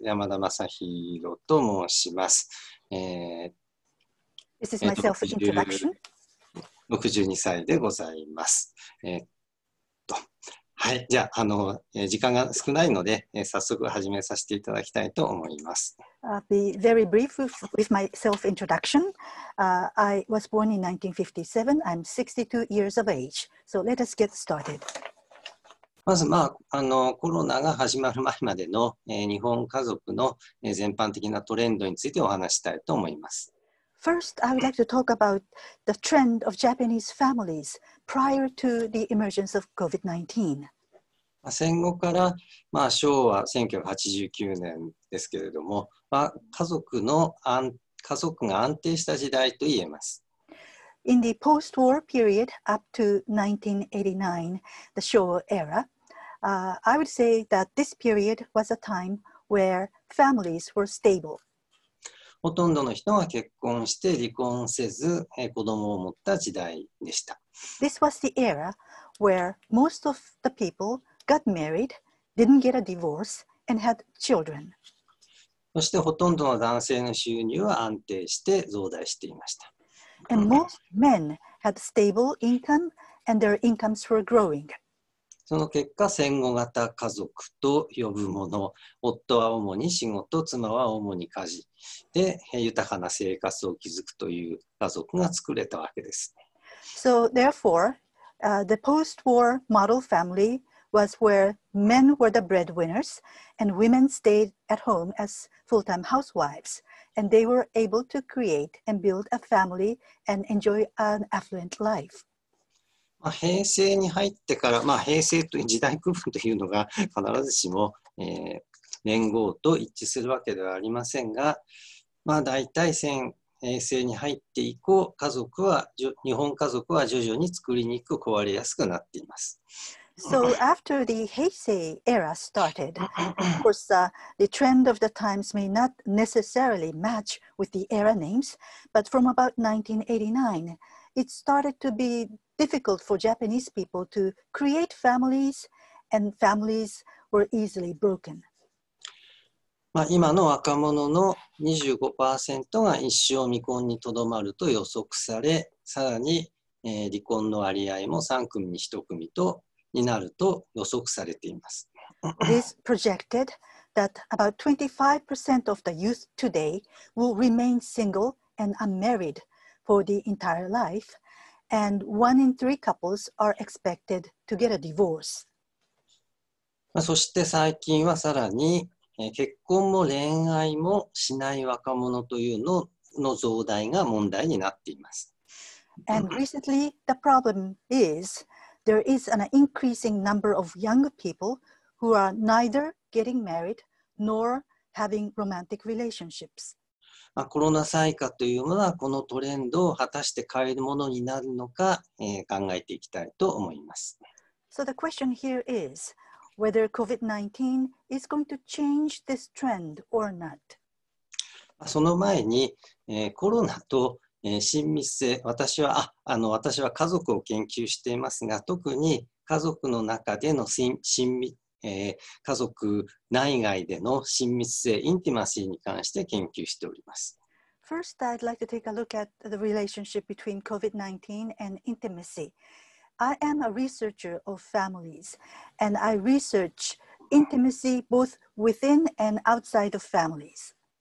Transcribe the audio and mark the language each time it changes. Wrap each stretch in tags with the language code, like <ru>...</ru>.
<ja>山田正弘と申します。</ja> <en>This is my self-introduction.</en> <ja>62歳でございます。はい、じゃあ、時間が少ないので、早速始めさせていただきたいと思います。</ja> <en>I'll be very brief with my self-introduction. I was born in 1957. I'm 62 years of age. So let us get started.</en> <ja>まず、コロナが始まる前までの、日本家族の、全般的なトレンドについてお話したいと思います。</ja> <en>First, I would like to talk about the trend of Japanese families prior to the emergence of COVID-19.</en> <ja>戦後から、昭和1989年ですけれども、家族が安定した時代と言えます。</ja> <en>In the post-war period up to 1989, the Showa era, I would say that this period was a time where families were stable.</en> <ja>ほとんどの人が結婚して離婚せず、子供を持った時代でした。</ja> <en>This was the era where most of the people got married, didn't get a divorce, and had children.</en> <ja>そしてほとんどの男性の収入は安定して増大していました。</ja> <en>And most men had stable income, and their incomes were growing.</en> <ja>その結果、戦後型家族と呼ぶもの、夫は主に仕事、妻は主に家事で豊かな生活を築くという家族が作れたわけです。</ja> <en>So therefore, the post-war model family was where men were the breadwinners and women stayed at home as full-time housewives and they were able to create and build a family and enjoy an affluent life.</en> <ja>平成に入ってから、平成という時代区分というのが必ずしも、年号と一致するわけではありませんが、大体平成に入って以降、日本家族は徐々に作りにくく壊れやすくなっています。</ja> <en>So after the Heisei era started, of course, the trend of the times may not necessarily match with the era names, but from about 1989, it started to be difficult for Japanese people to create families, and families were easily broken.</en> <ja>今の若者の 25% が一生未婚にとどまると予測され、さらに、離婚の割合も3組に1組になると予測されています。</ja> <en>This projected that about 25% of the youth today will remain single and unmarried for the entire life, and one in three couples are expected to get a divorce.</en> <ja>まあ、そして最近はさらに、結婚も恋愛もしない若者というのの増大が問題になっています。</ja> <en>And recently, the problem is there is an increasing number of young people who are neither getting married nor having romantic relationships.、</en> <ja>まあ、コロナ災禍というものはこのトレンドを果たして変えるものになるのか、考えていきたいと思います。</ja> <en>So the question here is,Whether COVID-19 is going to change this trend or not.</en> <ja>その前に、コロナと、親密性、私は家族を研究していますが、特に家族の中での家族内外での親密性、インティマシーに関して研究しております。</ja> <en>First, I'd like to take a look at the relationship between COVID-19 and intimacy. I am a researcher of families, and I research intimacy both within and outside of families.</en>